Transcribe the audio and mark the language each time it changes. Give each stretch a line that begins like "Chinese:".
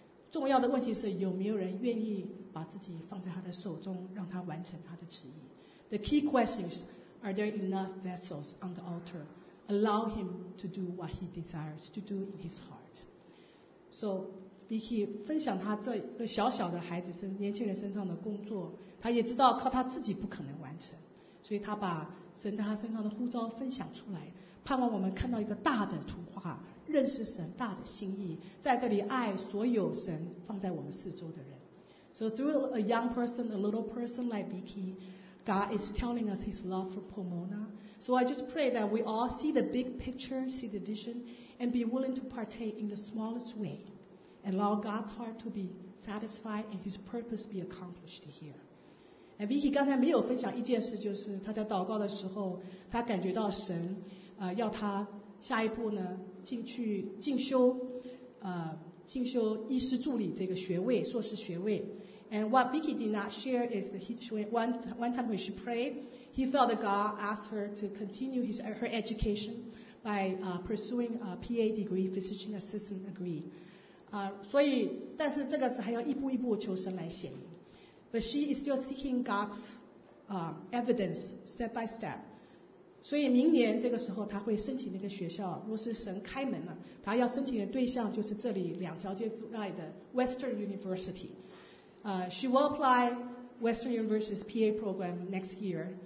Chinese: 重要的问题是有没有人愿意把自己放在他的手中，让他完成他的旨意。
English: The key question is, are there enough vessels on the altar? Allow him to do what he desires to do in his heart.
Chinese: So Vicky 分享他这个小小的孩子身年轻人身上的工作，他也知道靠他自己不可能完成，所以他把神在他身上的呼召分享出来，盼望我们看到一个大的图画，认识神大的心意，在这里爱所有神放在我们四周的人。
English: So through a young person, a little person like Vicky, God is telling us his love for Pomona. So I just pray that we all see the big picture, see the vision, and be willing to partake in the smallest way, and allow God's heart to be satisfied and his purpose be accomplished here.
Chinese: And Vicky 刚才没有分享一件事，就是她在祷告的时候，她感觉到神要她下一步呢进去进修，进修医师助理这个学位，硕士学位。
English: And what Vicky did not share is that one time when she prayed, he felt that God asked her to continue her education by pursuing a PA degree, physician assistant degree.
Chinese: 所以，但是这个是还要一步一步求神来显明。
English: But she is still seeking God's evidence step by step.
Chinese: 所以明年这个时候她会申请那个学校，若是神开门了，她要申请的对象就是这里两条街之外的 Western University.
English: She will apply Western University's PA program next year.